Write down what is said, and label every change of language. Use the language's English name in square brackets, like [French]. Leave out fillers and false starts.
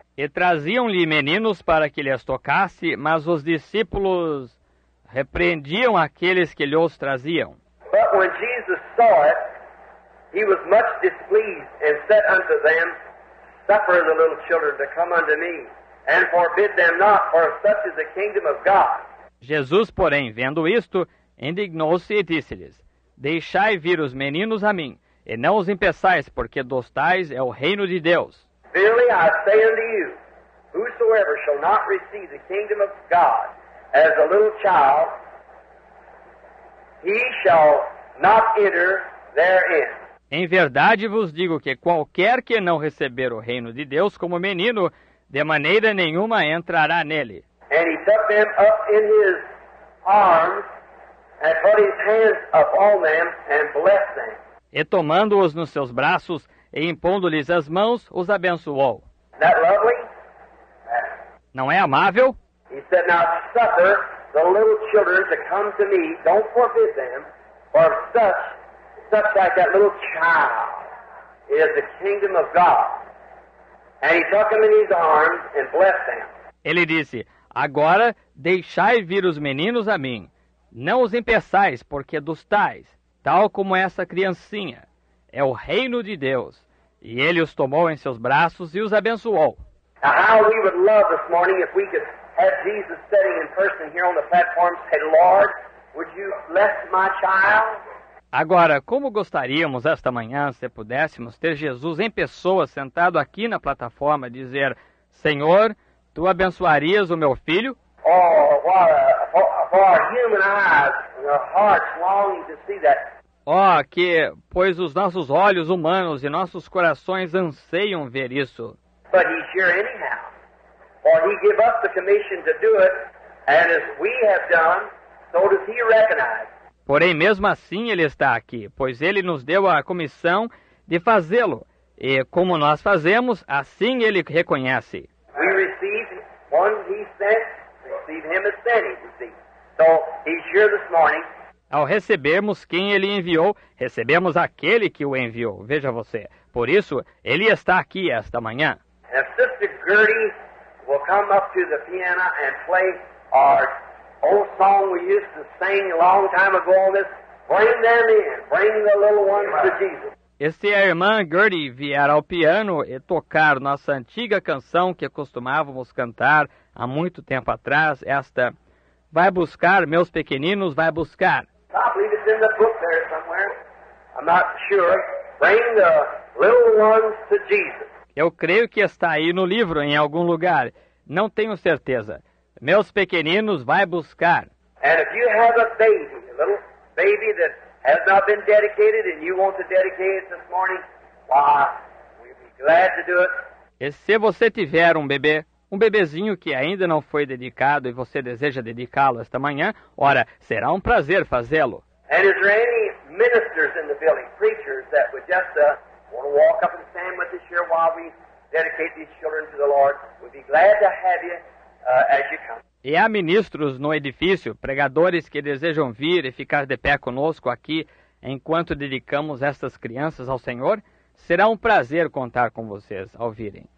[Portuguese] E traziam-lhe meninos para que lhes tocasse, mas os discípulos repreendiam aqueles que lhes traziam. [English] But when Jesus saw it, he was much displeased, and said unto them, Suffer the little children to come unto me, and forbid them not, for such is the kingdom of God. [Portuguese] Jesus, porém, vendo isto, indignou-se e disse-lhes, Deixai vir os meninos a mim, e não os impeçais, porque dos tais é o reino de Deus. [English] Verily I say unto you, whosoever shall not receive the kingdom of God as a little child, he shall not enter therein. [Portuguese] Em verdade vos digo que qualquer que não receber o reino de Deus como menino, de maneira nenhuma entrará nele. [English] And he took them up in his arms and put his hands upon them and blessed them. [Portuguese] E tomando-os nos seus braços e impondo-lhes as mãos, os abençoou. [English] That lovely? [Portuguese] Não é amável? [English] He said, now suffer the little children to come to me, don't forbid them, for such like that little child is the kingdom of God. And he took them in his arms and blessed them. [Portuguese] Ele disse, agora deixai vir os meninos a mim, não os impeçais, porque dos tais, tal como essa criancinha, é o reino de Deus. E ele os tomou em seus braços e os abençoou. [English] Now how we would love this morning if we could have Jesus sitting in person here on the platform and say, Lord, would you bless my child? [Portuguese] Agora, como gostaríamos esta manhã, se pudéssemos ter Jesus em pessoa sentado aqui na plataforma dizer, Senhor, tu abençoarias o meu filho? [English] Oh, for our human eyes and our hearts longing to see that. [Portuguese] Oh, que, pois os nossos olhos humanos e nossos corações anseiam ver isso. [English] But he's here anyhow. For he gave us the commission to do it, and as we have done, so does he recognize. [Portuguese] Porém, mesmo assim, ele está aqui, pois ele nos deu a comissão de fazê-lo. E como nós fazemos, assim ele reconhece. [English] We receive one he sent, receive him as sending, you see. So, he's here this morning. [Portuguese] Ao recebermos quem ele enviou, recebemos aquele que o enviou. Veja você. Por isso, ele está aqui esta manhã. [English] And Sister Gertie will come up to the piano and play our old song we used to sing a long time ago on this. Bring them in. Bring the little ones to Jesus. [Portuguese] E se a irmã Gertie vier ao piano e tocar nossa antiga canção que costumávamos cantar há muito tempo atrás, esta... Vai buscar, meus pequeninos, vai buscar. [English] I believe it's in the book there somewhere. I'm not sure. Bring the little ones to Jesus. [Portuguese] Eu creio que está aí no livro, em algum lugar. Não tenho certeza. Meus pequeninos, vai buscar. [English] And if you have a little baby that has not been dedicated and you want to dedicate it this morning, why, we'd be glad to do it. [Portuguese] E se você tiver um bebezinho que ainda não foi dedicado e você deseja dedicá-lo esta manhã, ora, será um prazer fazê-lo. [English] And is there any ministers in the building, preachers, that would just want to walk up and stand with us here while we dedicate these children to the Lord? We'd be glad to have you as you come. [Portuguese] E há ministros no edifício, pregadores que desejam vir e ficar de pé conosco aqui enquanto dedicamos estas crianças ao Senhor? Será um prazer contar com vocês ao virem.